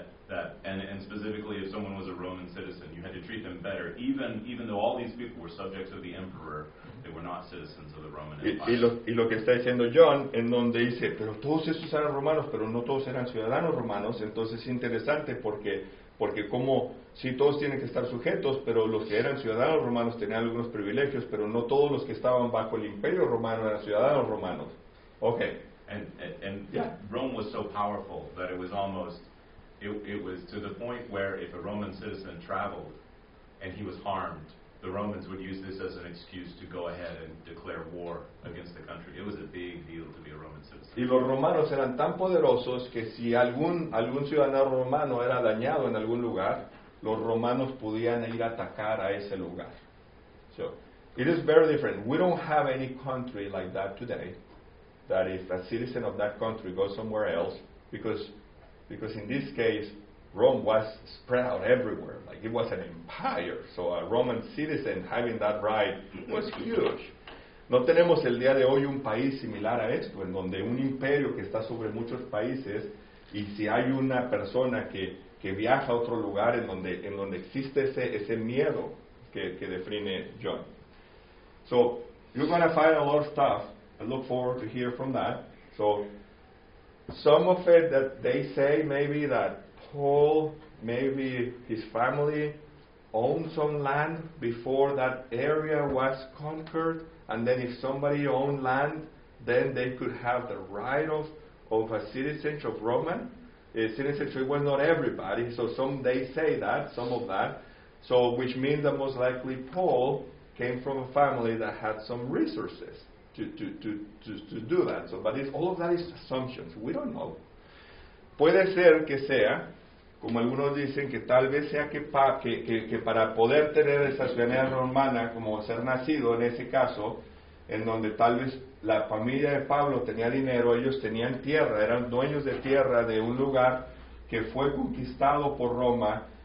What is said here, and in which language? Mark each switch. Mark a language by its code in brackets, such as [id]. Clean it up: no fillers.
[en] That and specifically, if someone was a Roman citizen, you had to treat them better. Even though all these people were subjects of the emperor, they were not citizens of the Roman Empire. [es] Y lo que está diciendo John, en donde dice, pero todos esos eran romanos, pero no todos eran ciudadanos romanos. Entonces es interesante porque como si sí, todos tienen que estar sujetos, pero los que eran ciudadanos romanos tenían algunos privilegios, pero no todos los que estaban bajo el Imperio Romano eran ciudadanos romanos. [en] Okay. And Rome was so powerful that it was almost it was to the point where if a Roman citizen traveled and he was harmed, the Romans would use this as an excuse to go ahead and declare war against the country. It was a big deal to be a Roman citizen. [es] Y los romanos eran tan poderosos que si algún ciudadano romano era dañado en algún lugar, los romanos podían ir a atacar a ese lugar. [en] So, it is very different. We don't have any country like that today, that if a citizen of that country goes somewhere else, because in this case, Rome was spread out everywhere. Like, it was an empire. So a Roman citizen having that right was huge. [es] No tenemos el día de hoy un país similar a esto, en donde un imperio que está sobre muchos países, y si hay una persona que viaja a otro lugar en donde existe ese miedo que define John. [en] So, you're going to find a lot of stuff. I look forward to hear from that. So, some of it that they say maybe that Paul, maybe his family owned some land before that area was conquered, and then if somebody owned land, then they could have the right of a citizenship of Roman. Citizenship was not everybody, so some they say that, some of that. So, which means that most likely Paul came from a family that had some resources to do that. So, but all of that is assumptions. We don't know. [es] Puede ser que sea, como algunos dicen, que tal vez sea que para poder tener esa ciudadanía romana, como ser nacido en ese caso, en donde tal vez la familia de Pablo tenía dinero, ellos tenían tierra, eran dueños de tierra de un lugar que fue conquistado por Roma,